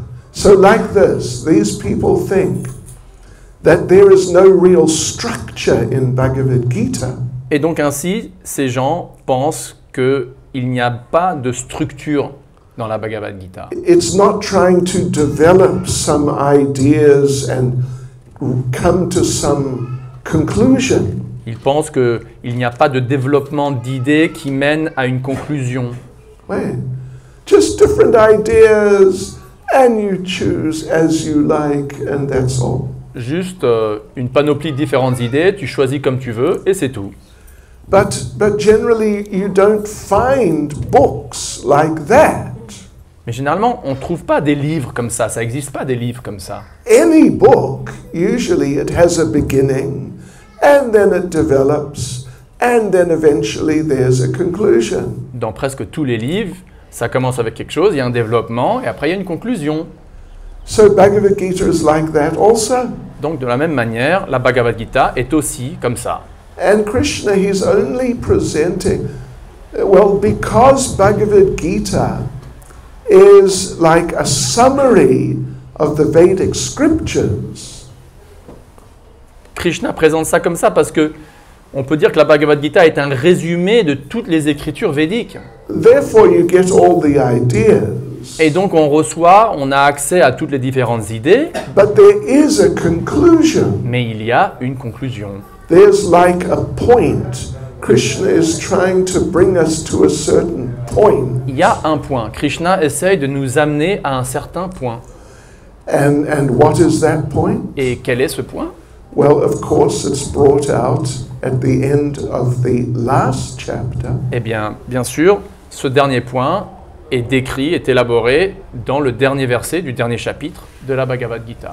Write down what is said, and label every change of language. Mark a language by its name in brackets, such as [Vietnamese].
[English] So like this, these people think that there is no real structure in Bhagavad Gita. [French] Et donc ainsi, ces gens pensent que il n'y a pas de structure dans la Bhagavad Gita. [English] It's not trying to develop some ideas and come to some conclusion. [French] Ils pensent que il n'y a pas de développement d'idées qui mène à une conclusion. Ouais. [English] Just different ideas and you choose as you like and that's all. [French] Juste une panoplie de différentes idées, tu choisis comme tu veux et c'est tout. [English] But generally you don't find books like that. [French] Mais généralement, on trouve pas des livres comme ça, ça existe pas des livres comme ça. [English] Any book, usually it has a beginning and then it develops and then eventually there's a conclusion. [French] Dans presque tous les livres, ça commence avec quelque chose, il y a un développement et après il y a une conclusion. [English] So Bhagavad Gita is like that also. [French] Donc de la même manière, la Bhagavad Gita est aussi comme ça. [English] And Krishna, he's only presenting, well, because Bhagavad Gita is like a summary of the Vedic scriptures. [French] Krishna présente ça comme ça parce que on peut dire que la Bhagavad Gita est un résumé de toutes les écritures védiques. [English] Therefore, you get all the ideas. [French] Et donc on reçoit, on a accès à toutes les différentes idées. [English] But there is a conclusion. [French] Mais il y a une conclusion. [English] There's like a point. Krishna is trying to bring us to a certain point. [French] Il y a un point. Krishna essaye de nous amener à un certain point. [English] And what is that point? [French] Et quel est ce point? [English] Well, of course, it's brought out at the end of the last chapter. [French] Eh bien, bien sûr, ce dernier point est décrit, est élaboré dans le dernier verset du dernier chapitre de la Bhagavad Gita.